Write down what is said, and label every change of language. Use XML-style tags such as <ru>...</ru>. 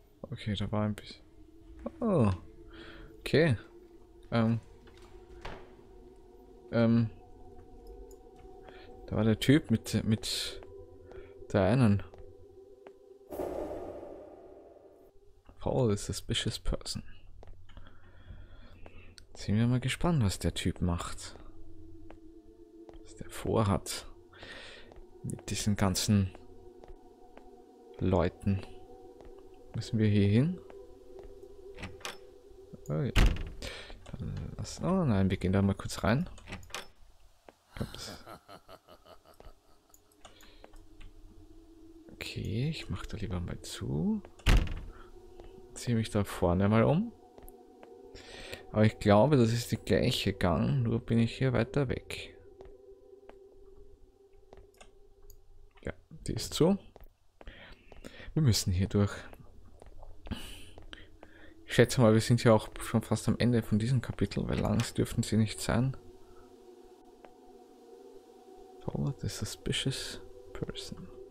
<de>Okay, da war ein bisschen. Oh. Okay. Da war der Typ mit der einen.</de> <en>Follow a suspicious person.</en> <de>Jetzt sind wir mal gespannt, was der Typ macht. Was der vorhat. Mit diesen ganzen Leuten. Müssen wir hier hin? Oh ja. Dann lass, oh nein, wir gehen da mal kurz rein. Ups. Okay, ich mach da lieber mal zu. Ziehe mich da vorne mal um. Aber ich glaube, das ist der gleiche Gang, nur bin ich hier weiter weg. Ja, die ist zu. Wir müssen hier durch. Ich schätze mal, wir sind ja auch schon fast am Ende von diesem Kapitel, weil langs dürften sie nicht sein.</de> <en>Follow the suspicious person.</en>